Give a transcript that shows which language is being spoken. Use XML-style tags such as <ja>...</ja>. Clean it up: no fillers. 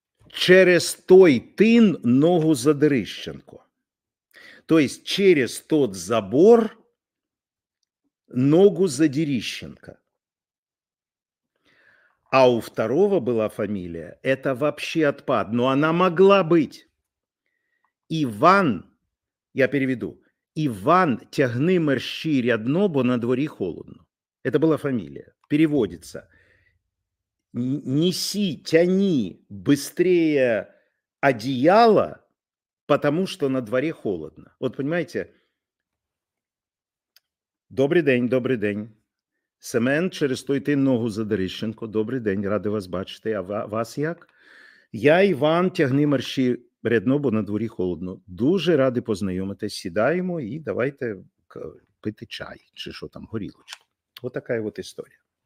<uk>Через той тин ногу задрищенко.</uk> <ru>То есть через тот забор ногу задерищенко. А у второго была фамилия, это вообще отпад, но она могла быть.</ru> <uk>Іван,</uk> <ru>я переведу,</ru> <uk>Іван, тягни мерщій рядно, бо на дворі холодно.</uk> <ru>Это была фамилия. Переводится. Неси, тяни быстрее одеяло, потому что на дворе холодно. Вот понимаете?</ru> <uk>Добрий день, добрий день. Семен, через той ти ногу задоріщенко. Добрий день, ради вас бачити. А вас як? Я Іван, тягни мерщій рядно, бо на дворі холодно. Дуже раді познайомитись. Сідаємо і давайте пити чай, чи що там, горілочку. Ось така от історія.</uk>